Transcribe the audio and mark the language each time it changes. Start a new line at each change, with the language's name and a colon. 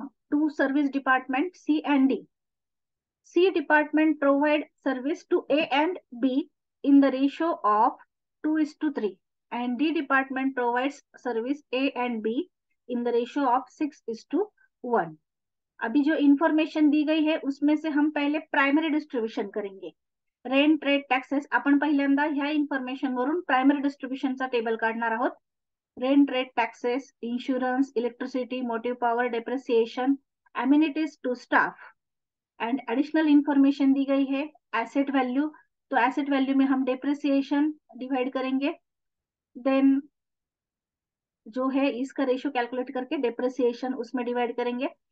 English: To service department C and D. C department provide service to A and B in the ratio of 2:3 and D department provide service A and B in the ratio of 6:1.
Hindi: अभी जो information दी गई है उसमें से हम पहले primary distribution करेंगे.
Marathi: Rent trade taxes अपन पहिल्यांदा ह्या information वरून प्राइमरी डिस्ट्रीब्यूशन चा टेबल काढणार आहोत.
English: Rent rate taxes insurance electricity motive power depreciation amenities to staff and additional information दी गई है asset value.
Hindi: तो एसेट वैल्यू में हम डेप्रिसिएशन डिवाइड करेंगे देन जो है इसका रेशियो कैलकुलेट करके डेप्रिसिएशन उसमें डिवाइड करेंगे.